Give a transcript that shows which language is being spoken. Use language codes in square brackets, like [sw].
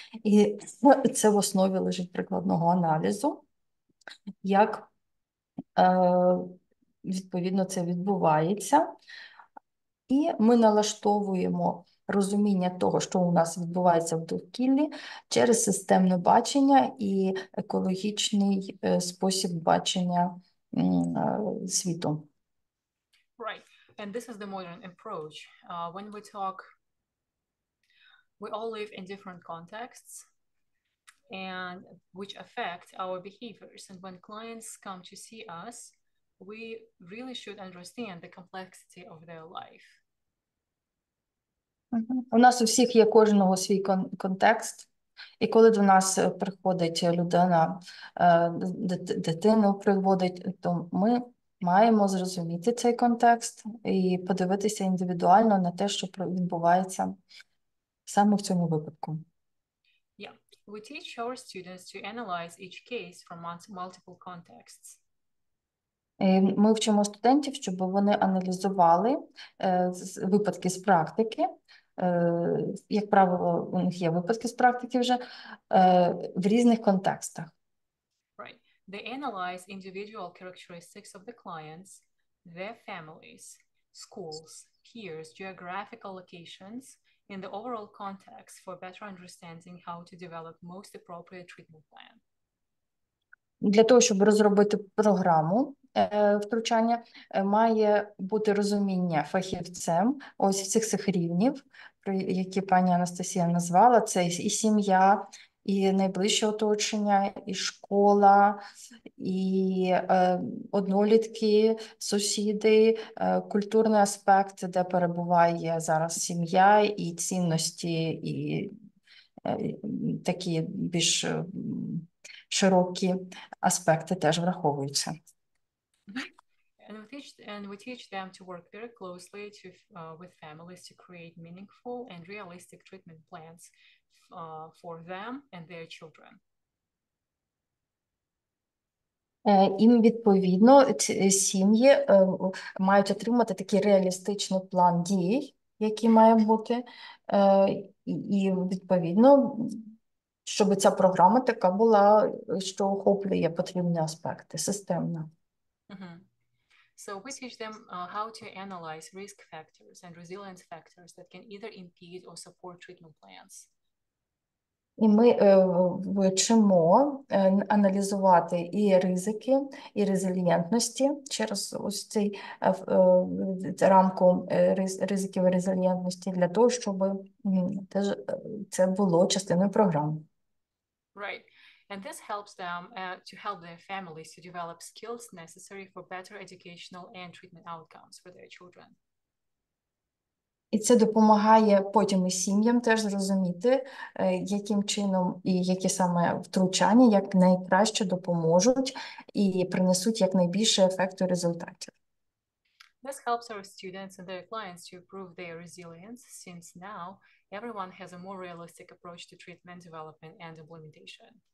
[uk] І це в основі лежить прикладного аналізу, як відповідно це відбувається. І ми налаштовуємо розуміння того, що у нас відбувається в довкіллі, через системне бачення і екологічний спосіб бачення світу. [en] Right, and this is the modern approach. When we talk, we all live in different contexts and which affect our behaviors. And when clients come to see us, we really should understand the complexity of their life. [uk] У нас у всіх є кожного свій контекст, і коли до нас приходить людина, дитину приводить, то ми маємо зрозуміти цей контекст і подивитися індивідуально на те, що відбувається саме в цьому випадку. [en] Yeah, we teach our students to analyze each case from multiple contexts. [uk] Ми вчимо студентів, щоб вони аналізували випадки з практики. Як правило, у них є випадки з практики вже в різних контекстах. [en] Right. They analyze individual characteristics of the clients, their families, schools, peers, geographical locations in the overall context for better understanding how to develop most appropriate treatment plan. [uk] Для того, щоб розробити програму втручання, має бути розуміння фахівцем ось цих рівнів, які пані Анастасія назвала, це і сім'я, і найближче оточення, і школа, і однолітки, сусіди, культурний аспект, де перебуває зараз сім'я, і цінності, і такі більш широкі аспекти теж враховуються. [en] And we teach them to work very closely with families to create meaningful and realistic treatment plans for them and their children. [uk] Їм відповідно ці сім'ї мають отримати такий реалістичний план дій, який має бути, і відповідно, щоб ця програма така була, що охоплює потрібні аспекти, системна. [en] So we teach them how to analyze risk factors and resilience factors that can either impede or support treatment plans. [uk] І ми вчимо аналізувати і ризики, і резильєнтності через ось цей рамку ризиків і резильєнтності для того, щоб теж це було частиною програми. [en] Right. And this helps them to help their families to develop skills necessary for better educational and treatment outcomes for their children. [uk] І це допомагає потім і сім'ям теж зрозуміти, яким чином і які саме втручання як найкраще допоможуть і принесуть якнайбільше ефекту результатів. [en] This helps our students and their clients to improve their resilience, since now everyone has a more realistic approach to treatment development and implementation.